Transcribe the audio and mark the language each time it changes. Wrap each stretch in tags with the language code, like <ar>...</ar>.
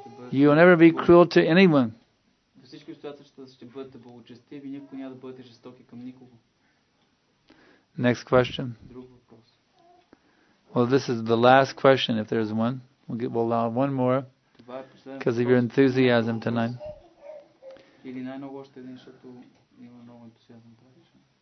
<en>You will never be cruel to anyone.</en> <bg>Всички обстоятелства ще бъдете благочестиви, никой няма да бъде жестоки към никого.</bg> <en>Next question.</en> <bg>Друг въпрос.</bg> <en>Well, this is the last question, if there's one. We'll allow one more. Because of your enthusiasm tonight.</en> <bg>Или най-много още един, защото има много ентусиазъм тази вечер.</bg>